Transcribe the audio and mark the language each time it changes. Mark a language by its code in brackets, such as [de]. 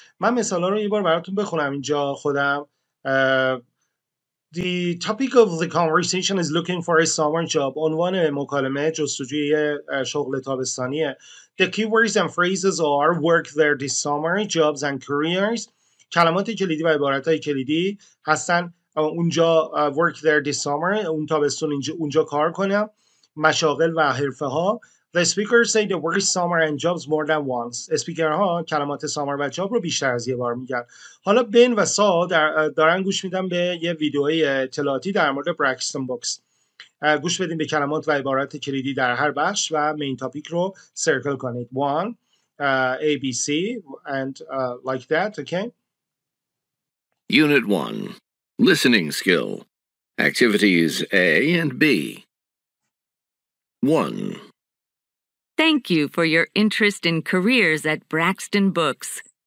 [fa] من مثالا رو یه بار براتون بخونم اینجا خودم. [en] The topic of the conversation is looking for a summer job. [fa] عنوان مکالمه جستجوی شغل تابستانیه. [en] The keywords and phrases are work there this summer, jobs and careers. [fa] کلمات کلیدی و عبارتهای کلیدی هستن اونجا [en] work there this summer, [fa] اون تابستون اونجا کار کنم. مشاغل و حرفه ها. [en] The speakers say the word summer and jobs more than once. [fa] اسپیکرها کلمات summer و job رو بیشتر از یه بار میگن. حالا بن و سا دارن گوش میدن به یه ویدئوی اطلاعاتی در مورد Braxton Books. گوش بدیم به کلمات و عبارات کلیدی در هر بخش و مین تاپیک رو سرکل کنید. [en] One, A, B, C, and like that, okay? Unit 1. Listening skill. Activities A and B. 1. Thank you for your interest in careers at Braxton Books.